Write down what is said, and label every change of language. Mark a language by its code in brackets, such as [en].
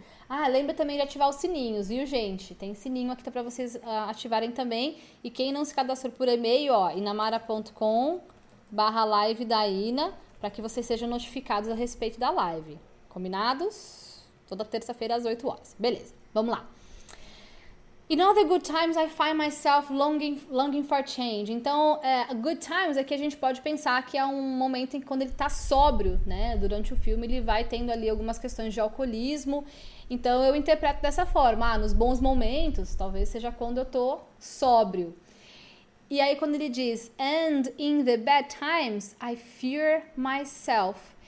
[pt] Ah, lembra também de ativar os sininhos, viu, gente? Tem sininho aqui tá para vocês ativarem também. E quem não se cadastrou por e-mail, ó, inamara.com/live da Ina, para que vocês sejam notificados a respeito da live. Combinados? Toda terça-feira às 8 horas. Beleza, vamos lá. [en] In all the good times, I find myself longing for change. [pt] Então, good times é que a gente pode pensar que é um momento em que quando ele tá sóbrio, né? Durante o filme, ele vai tendo ali algumas questões de alcoolismo. Então, eu interpreto dessa forma. Ah, nos bons momentos, talvez seja quando eu tô sóbrio. E aí, quando ele diz, [en] and in the bad times, I fear myself.